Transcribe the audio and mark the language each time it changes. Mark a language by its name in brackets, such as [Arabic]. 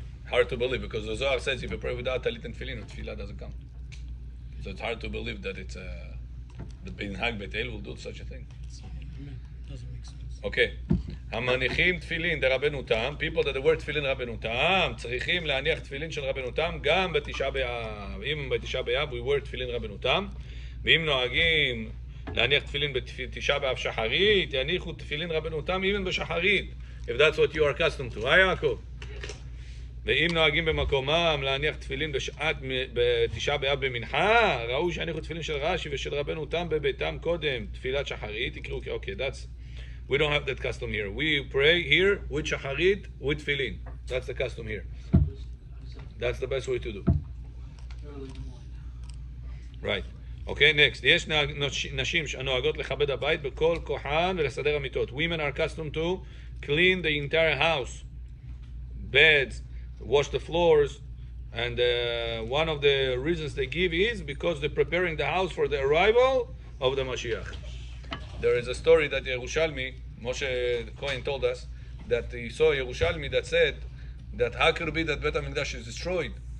[English] Hard to believe because the Zohar says if you pray without talit and tefillin, tefillah doesn't count. So it's hard to believe that it's the minhag betel will do such a thing. Doesn't make sense. Okay. People that wear tefillin Rabbeinu Tam, [Hebrew] צריכים להניח תפילין של רבנו תם גם בתשעה באב. אם בתשעה באב [English] we wear [Hebrew] תפילין רבנו תם, ואם נוהגים להניח תפילין בתשעה באב שחרית, יניחו תפילין רבנו תם [English] even [Hebrew] בשחרית. [English] If that's what you are accustomed to, right, Yaakov? [Hebrew] ואם נוהגים במקומם להניח תפילין בשעת בתשעה באב במנחה, ראו שיניחו תפילין של רש"י ושל רבנו תם בביתם קודם, תפילת שחרית, יקראו, [English] okay, that's, we don't have that custom here. We pray here with שחרית, with תפילין. That's the custom here. That's the best way to do. Right. Okay, next. [Hebrew] יש נשים שנוהגות לכבד הבית בכל כוחן ולסדר המיטות. [English] Women are accustomed to clean the entire house, beds, wash the floors, and one of the reasons they give is because they're preparing the house for the arrival of the Mashiach. There is a story that Yerushalmi, Moshe Cohen told us, that he saw Yerushalmi that said that how could it be that Bet HaMikdash is destroyed?